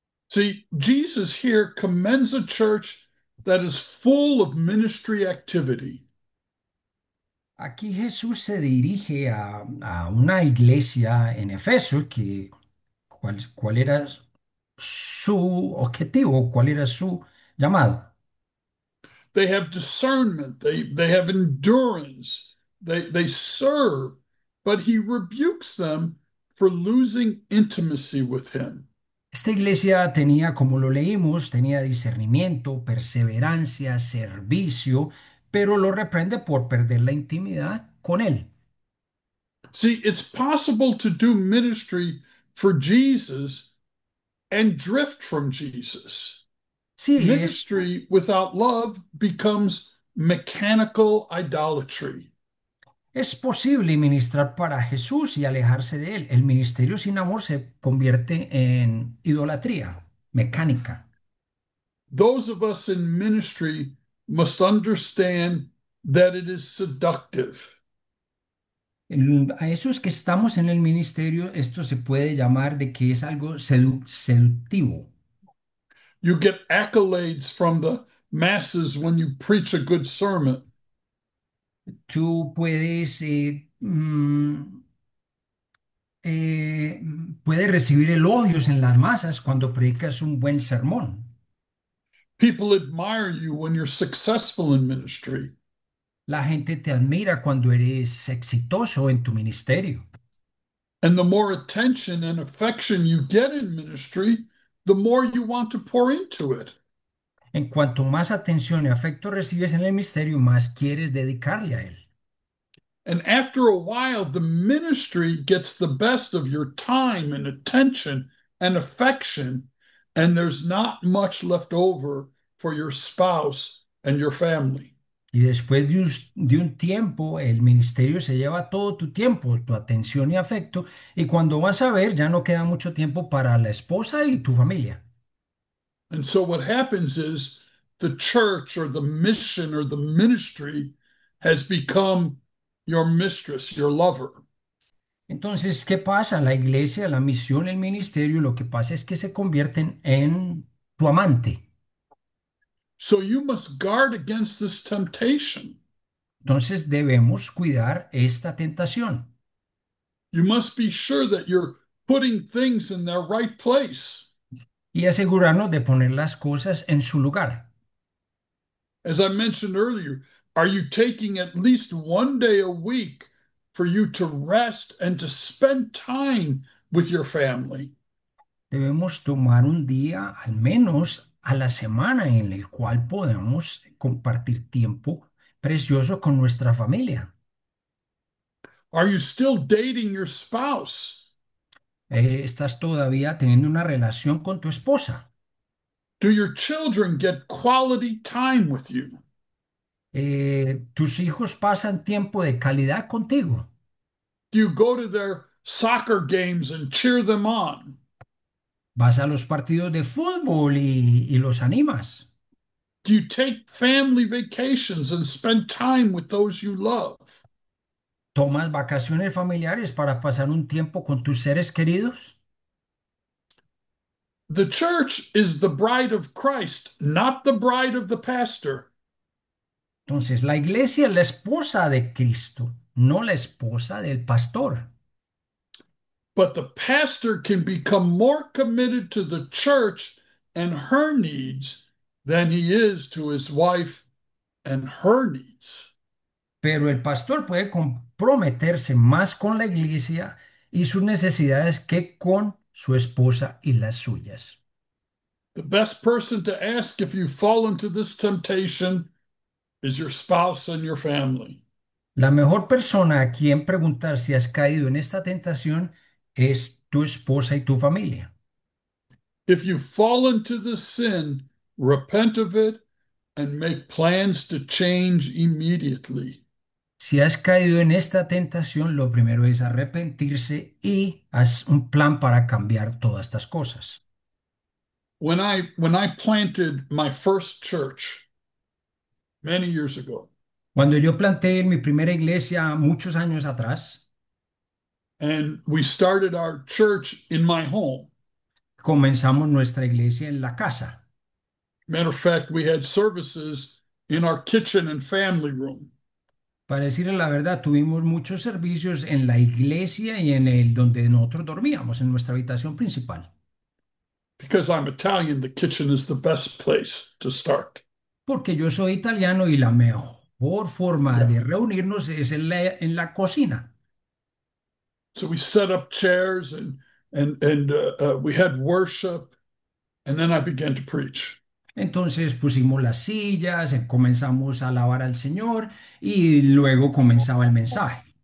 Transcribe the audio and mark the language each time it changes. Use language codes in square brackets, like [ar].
[en] See, Jesus here commends a church that is full of ministry activity. [es] Aquí Jesús se dirige a una iglesia en Éfeso que ¿cuál era su objetivo? ¿Cuál era su llamado? [en] They have discernment, they have endurance, they serve, but he rebukes them for losing intimacy with him. [es] Esta iglesia tenía, como lo leímos, tenía discernimiento, perseverancia, servicio, pero lo reprende por perder la intimidad con él. [en] See, it's possible to do ministry for Jesus and drift from Jesus. [es] Sí, es. [en] Ministry without love becomes mechanical idolatry. [es] Es posible ministrar para Jesús y alejarse de él. El ministerio sin amor se convierte en idolatría mecánica. [en] Those of us in ministry must understand that it is seductive. [es] A esos que estamos en el ministerio, esto se puede llamar de que es algo seductivo. [en] You get accolades from the masses when you preach a good sermon. [es] Tú puedes puedes recibir elogios en las masas cuando predicas un buen sermón. [en] People admire you when you're successful in ministry. [es] La gente te admira cuando eres exitoso en tu ministerio. [en] And the more attention and affection you get in ministry, the more you want to pour into it. [es] En cuanto más atención y afecto recibes en el ministerio, más quieres dedicarle a él. [en] And after a while, the ministry gets the best of your time and attention and affection, and there's not much left over for your spouse and your family. [es] Y después de un tiempo, el ministerio se lleva todo tu tiempo, tu atención y afecto, y cuando vas a ver, ya no queda mucho tiempo para la esposa y tu familia. [en] And so what happens is the church or the mission or the ministry has become your mistress, your lover. [es] Entonces, ¿qué pasa? La iglesia, la misión, el ministerio, lo que pasa es que se convierten en tu amante. [en] So you must guard against this temptation. [es] Entonces debemos cuidar esta tentación. [en] You must be sure that you're putting things in their right place. [es] Y asegurarnos de poner las cosas en su lugar. [en] As I mentioned earlier, are you taking at least one day a week for you to rest and to spend time with your family? [es] Debemos tomar un día al menos a la semana en el cual podamos compartir tiempo precioso con nuestra familia. [en] Are you still dating your spouse? [es] ¿Estás todavía teniendo una relación con tu esposa? [en] Do your children get quality time with you? [es] ¿Tus hijos pasan tiempo de calidad contigo? [en] Do you go to their soccer games and cheer them on? [es] Vas a los partidos de fútbol y los animas. [en] Do you take family vacations and spend time with those you love? [es] Tomas vacaciones familiares para pasar un tiempo con tus seres queridos. [en] The church is the bride of Christ, not the bride of the pastor. [es] Entonces, la iglesia es la esposa de Cristo, no la esposa del pastor. [en] But the pastor can become more committed to the church and her needs than he is to his wife and her needs. [es] Pero el pastor puede comprometerse más con la iglesia y sus necesidades que con su esposa y las suyas. [en] The best person to ask if you fall into this temptation is your spouse and your family. [es] La mejor persona a quien preguntar si has caído en esta tentación es tu esposa y tu familia. [en] If you fall into this sin, repent of it and make plans to change immediately. [es] Si has caído en esta tentación, lo primero es arrepentirse y haz un plan para cambiar todas estas cosas. [en] When I planted my first church many years ago, [es] Cuando yo planté mi primera iglesia muchos años atrás, [en] and we started our church in my home. [es] comenzamos nuestra iglesia en la casa. [en] Matter of fact, we had services in our kitchen and family room. [es] Para decirle la verdad, tuvimos muchos servicios en la iglesia y en el donde nosotros dormíamos, en nuestra habitación principal. [en] Because I'm Italian, the kitchen is the best place to start. [es] Porque yo soy italiano y la mejor forma Yeah. de reunirnos es en la cocina. [en] So we set up chairs we had worship, and then I began to preach. [es] Entonces pusimos las sillas, comenzamos a alabar al Señor y luego comenzaba el mensaje.